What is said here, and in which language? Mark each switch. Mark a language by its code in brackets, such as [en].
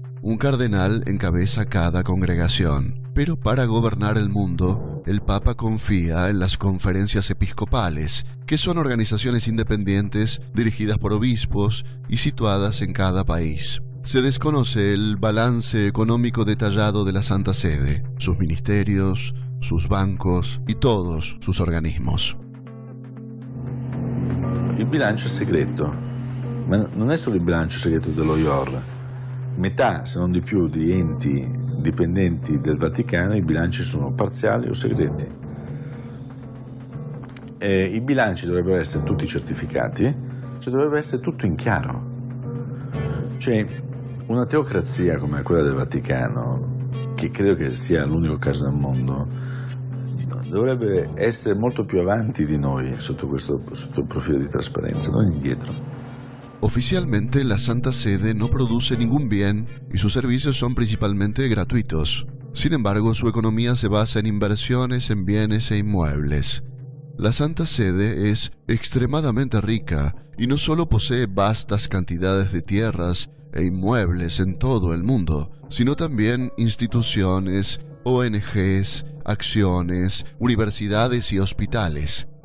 [es] Un cardenal encabeza cada congregación. Pero para gobernar el mundo, el Papa confía en las conferencias episcopales, que son organizaciones independientes dirigidas por obispos y situadas en cada país. Se desconoce el balance económico detallado de la Santa Sede, sus ministerios, sus bancos y todos sus organismos. [it] Il bilancio è segreto, ma non è solo il bilancio segreto dello IOR. Metà, se non di più, di enti dipendenti del Vaticano, i bilanci sono parziali o segreti. E i bilanci dovrebbero essere tutti certificati, cioè dovrebbe essere tutto in chiaro. Cioè, una teocrazia come quella del Vaticano, che credo che sia l'unico caso al mondo, dovrebbe essere molto più avanti di noi sotto questo sotto il profilo di trasparenza, non indietro. [es] Oficialmente la Santa Sede no produce ningún bien y sus servicios son principalmente gratuitos. Sin embargo, su economía se basa en inversiones en bienes e inmuebles. La Santa Sede es extremadamente rica y no solo posee vastas cantidades de tierras e inmuebles en todo el mundo, sino también instituciones, ONGs, acciones, universidades y hospitales.